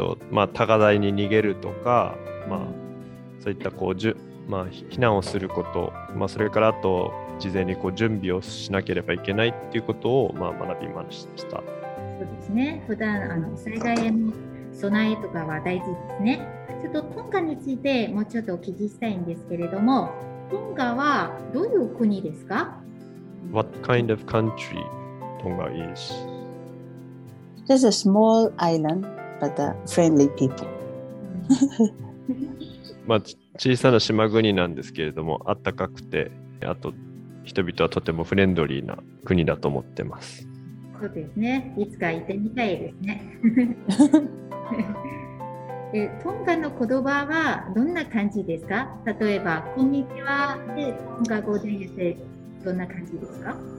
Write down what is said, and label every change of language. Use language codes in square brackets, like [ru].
[ja] まあ、高台に逃げるとか、まあ、そういったこう、まあ、避難をすること、まあ、それからあと、事前にこう準備をしなければいけないっていうことをまあ学びました。そうですね。普段あの災害への備えとかは大事ですね。ちょっとトンガについてもうちょっとお聞きしたいんですけれども、トンガはどういう国ですか [en] ？What kind of country Tonga is? There's a small island, but a friendly people. [ja] まあ小さな島国なんですけれども、あったかくてあと人々はとてもフレンドリーな国だと思ってます。そうですね、いつか行ってみたいですね。トンガの言葉はどんな感じですか？例えばこんにちはでトンガ語で言ってどんな感じですか？